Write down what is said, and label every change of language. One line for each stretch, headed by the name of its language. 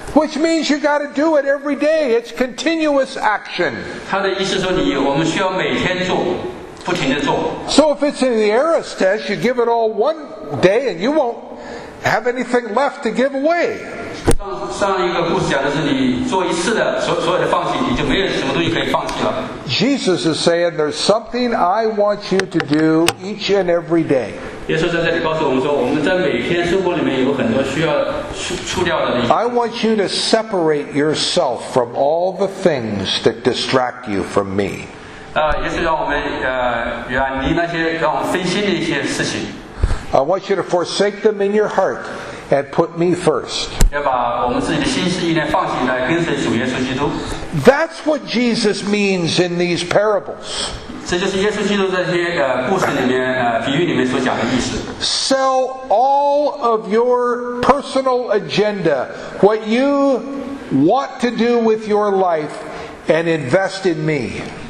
English: Which means you got to do it every day. It's continuous action. So if it's in the aorist tense, you give it all one day and you won't have anything left to give away.
Chinese: 上一个故事讲的是你做一次的，所有的放弃，你就没有什么东西可以放弃了。
English: Jesus is saying, "There's something I want you to do each and every day."
Chinese: 耶稣在这里告诉我们说，我们在每天生活里面有很多需要除掉的。
English: I want you to separate yourself from all the things that distract you from me.
Chinese: 耶稣让我们远离那些让我们分心的一些事情。
English: I want you to forsake them in your heart and put me first. That's what Jesus means in these parables. Sell all of your personal agenda, what you want to do with your life, and invest in me.